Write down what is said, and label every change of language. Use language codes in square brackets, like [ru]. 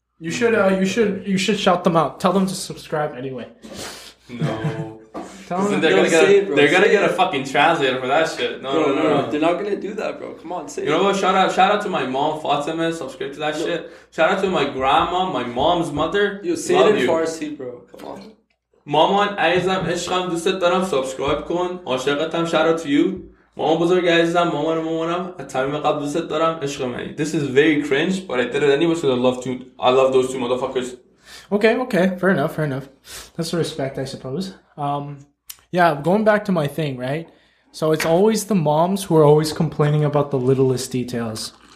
[en] You should shout them out. Tell them to subscribe anyway. No. They're gonna get a fucking translator for that shit. No. They're not gonna do that, bro. Come on, say it. You know what? Shout out to my mom, Fatima, subscribe to that shit. Shout out to my grandma, my mom's mother. Yo, say love it in Farsi, bro. Come on. [fa] مامان عزیزم عشقم دوستت دارم سابسکرایب کن عاشقتم [en] شارو تو یو [fa] مامان بزرگ عزیزم مامان مامانم از تمام قلب دوستت دارم عشق منی. [en] This is very cringe but I did it anyway because I love those two motherfuckers. Okay, fair enough. That's a respect, I suppose. Going back to my thing, right? So it's always the moms who are always complaining about the littlest details.